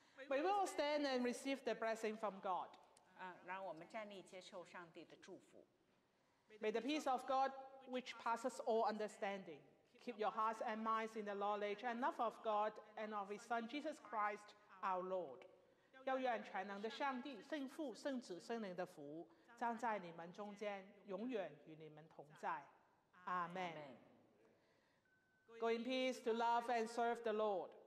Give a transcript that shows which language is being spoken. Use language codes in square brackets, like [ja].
[en] We will stand and receive the blessing from God. [zh] 让我们站立接受上帝的祝福。 [en] May the peace of God, which passes all understanding, keep your hearts and minds in the knowledge and love of God and of His Son Jesus Christ, our Lord. [zh] 要愿全能的上帝、圣父、圣子、圣灵的福站在你们中间，永远与你们同在。 [en] Amen. Amen. Go in peace to love and serve the Lord.